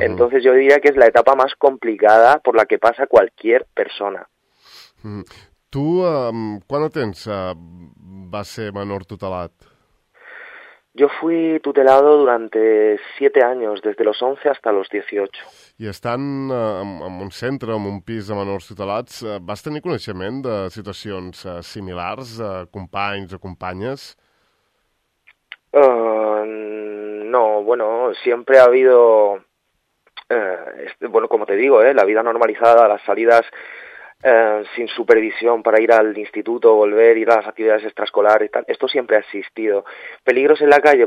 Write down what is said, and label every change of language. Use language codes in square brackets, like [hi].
[es] Entonces yo diría que es la etapa más complicada por la que pasa cualquier persona. Uh-huh. [ca] ¿Tú cuánto tens va ser menor tutelat? [es] Yo fui tutelado durante 7 años, desde los 11 hasta los 18. [ca] I estant en un centre, en un pis de menors tutelats, vas tenir coneixement de situacions similars, de companys o companyes? [es] No, bueno, siempre ha habido, bueno, como te digo, la vida normalizada, las salidas sin supervisión para ir al instituto, volver, ir a las actividades extraescolares y tal, esto siempre ha existido. ¿Peligros en la calle?